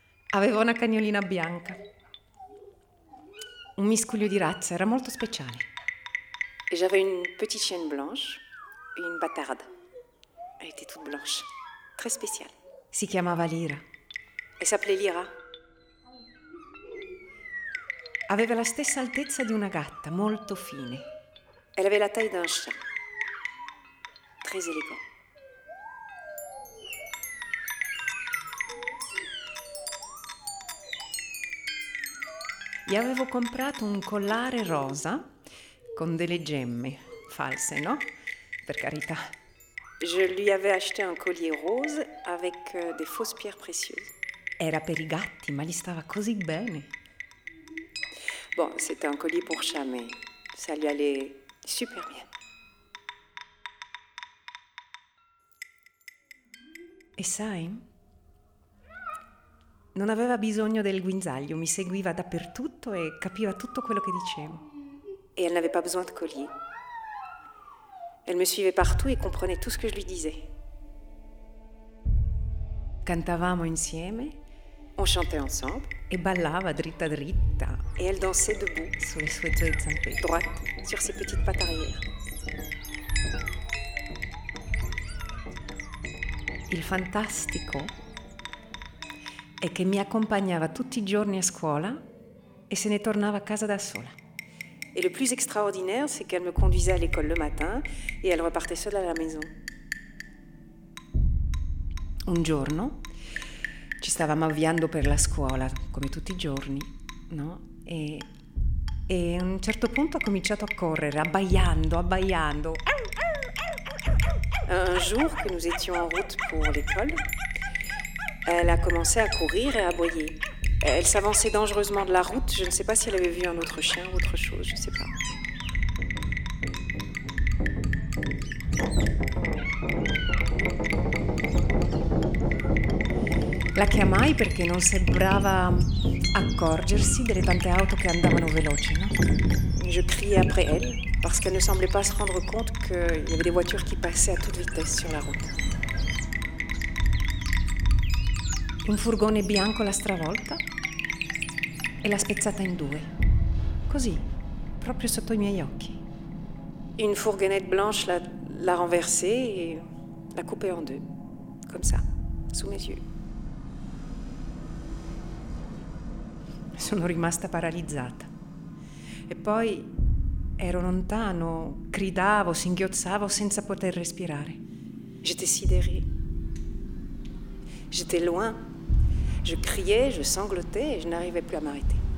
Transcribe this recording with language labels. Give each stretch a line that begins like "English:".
Italian: Avevo una cagnolina bianca. Un miscuglio di razza, era molto speciale.
French: Et j'avais une petite chienne blanche et une bâtarde. Elle était toute blanche, très spéciale.
Italian: Si chiamava Lira.
French: Elle s'appelait Lira.
Italian: Aveva la stessa altezza di una gatta, molto fine.
French: Elle avait la taille d'un chat, très élégant. Le
Italian: Gli avevo comprato un collare rosa con delle gemme false, no? Per carità.
French: Je lui avais acheté un collier rose avec des fausses pierres précieuses.
Italian: Era per i gatti, ma gli stava così bene.
French: Bon, c'était un collier pour chat, mais ça lui allait super bien.
Italian: E sai? Non aveva bisogno del guinzaglio, mi seguiva dappertutto e capiva tutto quello che dicevo.
French: Et elle n'avait pas besoin de collier. Elle me suivait partout et comprenait tout ce que je lui disais.
Italian: Cantavamo insieme,
French: on chantait ensemble,
Italian: et ballava dritta dritta.
French: Et elle dansait debout,
Italian: sulle sue due zampe,
French: droite, sur ses petites pattes arrière.
Italian: Il fantastico è che mi accompagnava tutti i giorni a scuola e se ne tornava a casa da sola.
French: Et le plus extraordinaire, c'est qu'elle me conduisait à l'école le matin et elle repartait seule à la maison.
Italian: Un giorno, ci stavamo avviando per la scuola, come tutti i giorni, no? E a un certo punto ha cominciato a correre, abbaiando, abbaiando.
French: Un jour que nous étions en route pour l'école, elle a commencé à courir et à aboyer. Elle s'avançait dangereusement de la route. Je ne sais pas si elle avait vu un autre chien ou autre chose, je ne sais pas.
Italian: La chiamai perché non sembrava accorgersi delle tante auto che andavano veloci, no?
French: Je criai après elle parce qu'elle ne semblait pas se rendre compte qu'il y avait des voitures qui passaient à toute vitesse sur la route.
Italian: Un furgone bianco l'ha stravolta e l'ha spezzata in due. Così, proprio sotto i miei occhi.
French: Une fourgonnette blanche l'a renversée et l'a coupée en deux. Comme ça, sous mes yeux.
Italian: Sono rimasta paralizzata. E poi ero lontano, gridavo, singhiozzavo senza poter respirare.
French: J'étais sidérée. J'étais loin. Je criais, je sanglotais et je n'arrivais plus à m'arrêter.